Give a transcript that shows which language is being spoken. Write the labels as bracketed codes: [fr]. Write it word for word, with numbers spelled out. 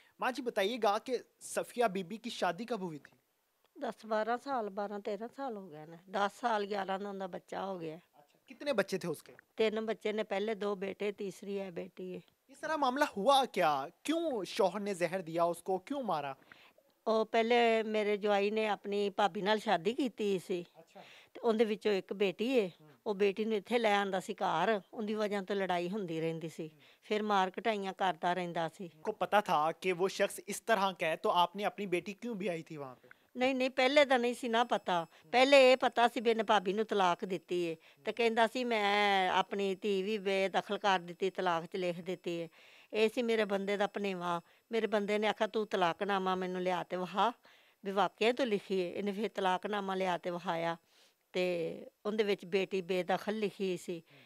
[hi] माँ जी बताइएगा कि सफ़िया बीबी की शादी कब हुई थी? दस बारह साल, बारह तेरह साल हो गए ना, दस साल ग्यारह ना उनका बच्चा हो गया। कितने बच्चे थे उसके? तीन बच्चे ने, पहले दो बेटे, तीसरी है बेटी है। इस तरह मामला हुआ क्या, क्यों शौहर ने जहर दिया उसको, क्यों मारा? [pa] ਉਹ ਪਹਿਲੇ ਮੇਰੇ ਜਵਾਈ ਨੇ ਆਪਣੀ ਭਾਬੀ ਨਾਲ ਸ਼ਾਦੀ ਕੀਤੀ ਸੀ ਤੇ ਉਹਦੇ ਵਿੱਚੋਂ ਇੱਕ ਬੇਟੀ ਏ, ਉਹ ਬੇਟੀ ਨੂੰ ਇੱਥੇ ਲੈ ਆਂਦਾ ਸੀ ਘਰ, ਉਹਦੀ ਵਜ੍ਹਾ ਤੋਂ ਲੜਾਈ ਹੁੰਦੀ ਰਹਿੰਦੀ ਸੀ, ਫਿਰ ਮਾਰ ਕਟਾਈਆਂ ਕਰਦਾ ਰਹਿੰਦਾ ਸੀ। [hi] आपको पता था कि वो शख्स इस तरह का है, तो आपने अपनी बेटी क्यों भी आई थी वहाँ पे? [pa] ਨਹੀਂ ਨਹੀਂ ਪਹਿਲੇ ਤਾਂ ਨਹੀਂ ਸੀ ਨਾ ਪਤਾ, ਪਹਿਲੇ ਇਹ ਪਤਾ ਸੀ ਵੀ ਇਹਨੇ ਭਾਬੀ ਨੂੰ ਤਲਾਕ ਦਿੱਤੀ ਏ ਤੇ ਕਹਿੰਦਾ ਸੀ ਮੈਂ ਆਪਣੀ ਧੀ ਵੀ ਬੇਦਖਲ ਕਰ ਦਿੱਤੀ, ਤਲਾਕ 'ਚ ਲਿਖ ਦਿੱਤੀ ਏ। ਇਹ ਸੀ ਮੇਰੇ ਬੰਦੇ ਦਾ ਭਨੇਵਾ, ਮੇਰੇ ਬੰਦੇ ਨੇ ਆਖਿਆ ਤੂੰ ਤਲਾਕਨਾਮਾ ਮੈਨੂੰ ਲਿਆ ਤੇ ਵਹਾ ਵੀ ਵਾਕਿਆ ਤੂੰ ਲਿਖੀ ਏ, ਇਹਨੇ ਫਿਰ ਤਲਾਕਨਾਮਾ ਲਿਆ ਤੇ ਵਹਾਇਆ ਤੇ ਉਹਦੇ ਵਿੱਚ ਬੇਟੀ ਬੇਦਖਲ ਲਿਖੀ ਸੀ।